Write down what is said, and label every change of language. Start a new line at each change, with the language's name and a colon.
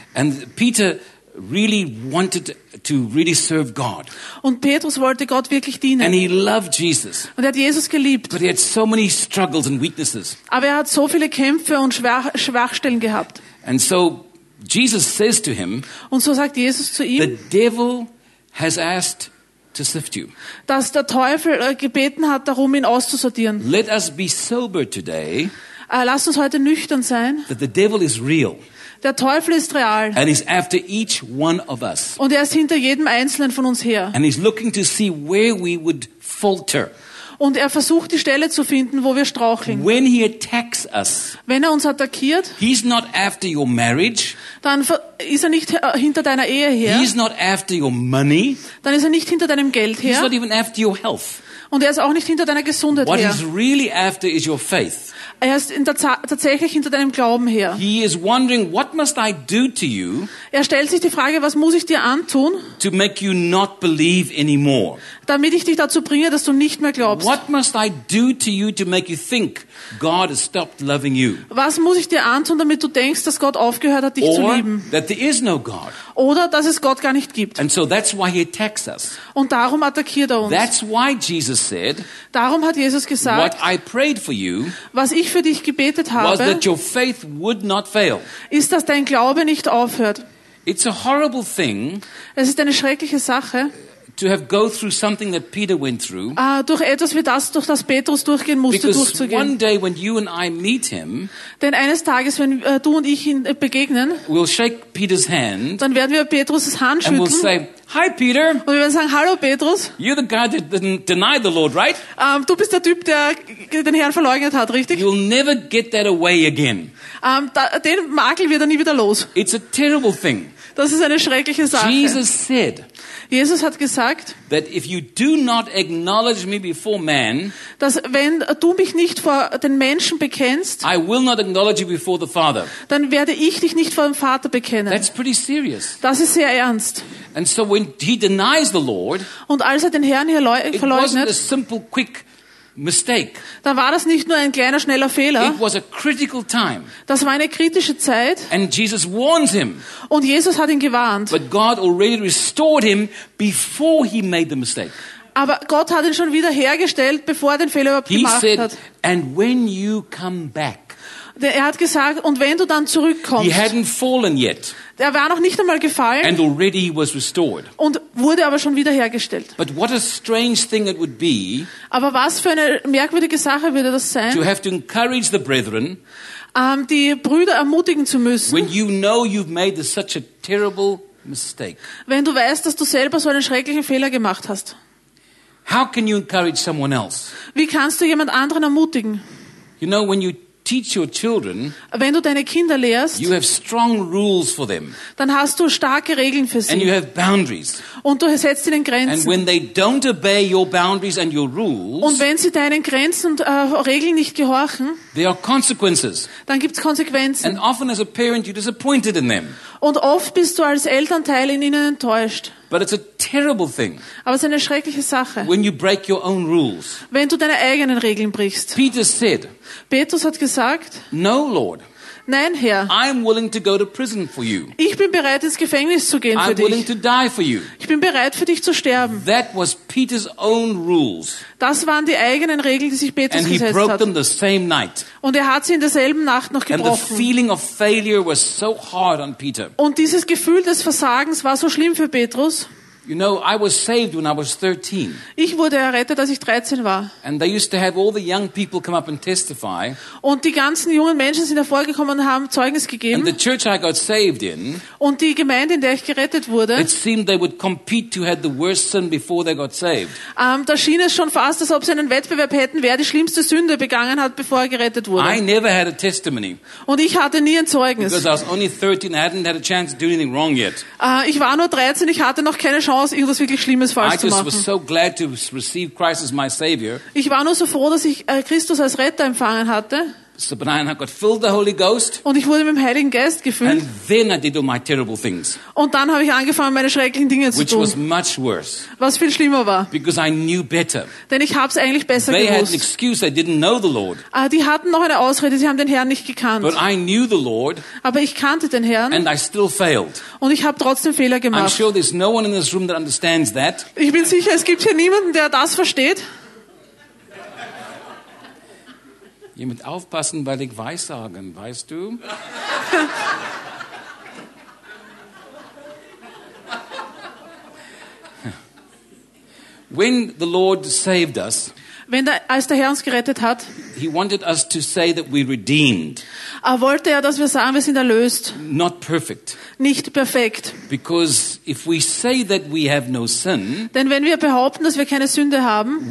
English: And Peter really wanted to really serve God.
German: Und Petrus wollte Gott wirklich dienen.
English: And he loved Jesus.
German: Und er hat Jesus geliebt.
English: But he had so many struggles and weaknesses.
German: Aber er hat so viele Kämpfe und Schwachstellen gehabt.
English: And so Jesus says to him.
German: Und so sagt Jesus zu ihm.
English: The devil has asked to sift you.
German: Dass der Teufel gebeten hat, darum ihn auszusortieren.
English: Let us be sober today.
German: Lass uns heute nüchtern sein.
English: That the devil is real.
German: Der Teufel ist real.
English: And he's after each one of us.
German: Und er ist hinter jedem einzelnen von uns her.
English: And he's looking to see where we would falter.
German: Und er versucht die Stelle zu finden, wo wir straucheln.
English: When he attacks us.
German: Wenn er uns attackiert.
English: He's not after your marriage.
German: Dann ist er nicht hinter deiner Ehe her.
English: He's not after your money.
German: Dann ist er nicht hinter deinem Geld her.
English: He's not even after your health.
German: Und er ist auch nicht hinter deiner Gesundheit
English: What
German: her.
English: What he's really after is your faith.
German: Er ist tatsächlich hinter deinem Glauben her.
English: He is wondering, what must I do to you,
German: er stellt sich die Frage, was muss ich dir antun,
English: to make you not believe anymore.
German: Damit ich dich dazu bringe, dass du nicht mehr glaubst.
English: What must I do to you to make you think God has stopped loving you?
German: Was muss ich dir antun, damit du denkst, dass Gott aufgehört hat, dich
English: Or
German: zu lieben?
English: That there is no God.
German: Oder dass es Gott gar nicht gibt.
English: And so that's why he attacks us.
German: Und darum attackiert er uns.
English: That's why Jesus said,
German: darum hat Jesus gesagt,
English: what I prayed for you,
German: was ich für dich gebetet habe,
English: was that your faith would not fail.
German: Ist, dass dein Glaube nicht aufhört.
English: It's a horrible thing,
German: es ist eine schreckliche Sache,
English: to have go through something that Peter went through.
German: Durch etwas wie das, durch das Petrus durchgehen musste,
English: because
German: durchzugehen.
English: One day when you and I meet him,
German: denn eines Tages, wenn du und ich ihn begegnen,
English: we'll shake Peter's hand,
German: dann werden wir Petrus' Hand schütteln.
English: And we'll say, Hi, Peter.
German: Und wir werden sagen, hallo Petrus.
English: You're the guy that didn't deny the Lord, right?
German: Du bist der Typ, der den Herrn verleugnet hat, richtig?
English: You'll never get that away again.
German: Den Makel wird er nie wieder los.
English: It's a terrible thing.
German: Das ist eine schreckliche Sache.
English: Jesus said,
German: Jesus hat gesagt,
English: that if you do not acknowledge me before man,
German: dass wenn du mich nicht vor den Menschen bekennst,
English: I will not acknowledge you before the Father.
German: Dann werde ich dich nicht vor dem Vater bekennen.
English: That's pretty serious.
German: Das ist sehr ernst.
English: And so when he denies the Lord,
German: und als er den Herrn hier verleugnet,
English: it wasn't a simple, quick mistake.
German: Dann war das nicht nur ein kleiner, schneller Fehler.
English: It was a critical time.
German: Das war eine kritische Zeit.
English: And Jesus warns him.
German: Und Jesus hat ihn gewarnt.
English: But God already restored him before he made the mistake.
German: Aber Gott hat ihn schon wieder hergestellt, bevor er den Fehler überhaupt
English: he
German: gemacht
English: said,
German: hat.
English: And when you come back.
German: Er hat gesagt, und wenn du dann zurückkommst.
English: He hadn't fallen yet.
German: Er war noch nicht einmal gefallen.
English: And already he was restored.
German: Und wurde aber schon wieder hergestellt.
English: But what a strange thing it would be.
German: Aber was für eine merkwürdige Sache würde das sein?
English: To have to encourage the brethren.
German: Die Brüder ermutigen zu müssen.
English: When you know you've made such a terrible mistake.
German: Wenn du weißt, dass du selber so einen schrecklichen Fehler gemacht hast.
English: How can you encourage someone else?
German: Wie kannst du jemand anderen ermutigen?
English: You know, when you teach your children,
German: wenn du deine Kinder lehrst,
English: you have strong rules for them,
German: dann hast du starke Regeln für sie,
English: and you have boundaries,
German: und du setzt ihnen Grenzen,
English: and when they don't obey your boundaries and your rules,
German: und wenn sie deinen Grenzen und Regeln nicht gehorchen,
English: there are consequences,
German: dann gibt's Konsequenzen,
English: and often as a parent you're disappointed in them,
German: und oft bist du als Elternteil in ihnen enttäuscht.
English: But it's a terrible thing,
German: aber es ist eine schreckliche Sache,
English: when you break your own rules,
German: wenn du deine eigenen Regeln brichst.
English: Peter said,
German: Petrus hat gesagt,
English: No, Lord.
German: Nein, Herr.
English: I'm willing to go to prison for you.
German: Ich bin bereit, ins Gefängnis zu gehen für dich.
English: I'm willing to die for you.
German: Ich bin bereit, für dich zu sterben.
English: That was Peter's own rules.
German: Das waren die eigenen Regeln, die sich Petrus gesetzt hat.
English: And he broke them the same night.
German: Und er hat sie in derselben Nacht noch gebrochen.
English: And the feeling of failure was so hard on Peter.
German: Und dieses Gefühl des Versagens war so schlimm für Petrus.
English: You know, I was saved when I was 13.
German: Ich wurde errettet, als ich 13 war.
English: And they used to have all the young people come up and testify.
German: Und die ganzen jungen Menschen sind hervorgekommen und haben Zeugnis gegeben.
English: And the church I got saved in.
German: Und die Gemeinde, in der ich gerettet wurde.
English: It seemed they would compete to have the worst sin before they got saved.
German: Da schien es schon fast, als ob sie einen Wettbewerb hätten, wer die schlimmste Sünde begangen hat, bevor er gerettet wurde.
English: I never had a testimony.
German: Und ich hatte nie ein Zeugnis.
English: Because I was only 13, I hadn't had a chance to do anything wrong yet.
German: Ich war nur 13, ich hatte noch keine Chance. Irgendwas wirklich Schlimmes falsch zu machen. Ich war nur so froh, dass ich Christus als Retter empfangen hatte.
English: So, but I got filled the Holy Ghost.
German: Und ich wurde mit dem Heiligen Geist gefüllt.
English: And then I did all my terrible things.
German: Und dann habe ich angefangen, meine schrecklichen Dinge zu
English: which
German: tun.
English: Was much worse.
German: Was viel schlimmer war.
English: Because I knew better.
German: Denn ich habe es eigentlich besser
English: they
German: gewusst.
English: Had an excuse, they didn't know the Lord.
German: Die hatten noch eine Ausrede, sie haben den Herrn nicht gekannt.
English: But I knew the Lord,
German: aber ich kannte den Herrn.
English: And I still failed.
German: Und ich habe trotzdem Fehler gemacht.
English: I'm sure there's no one in this room that understands that.
German: Ich bin sicher, es gibt hier niemanden, der das versteht. Ihr müsst aufpassen, weil ich weissagen, weißt du?
English: When the Lord saved us,
German: als der Herr uns gerettet hat,
English: he wanted us to say that we redeemed.
German: Wollte er, dass wir sagen, wir sind erlöst.
English: Not perfect.
German: Nicht perfekt.
English: Because if we say that we have no sin,
German: denn wenn wir behaupten, dass wir keine Sünde haben,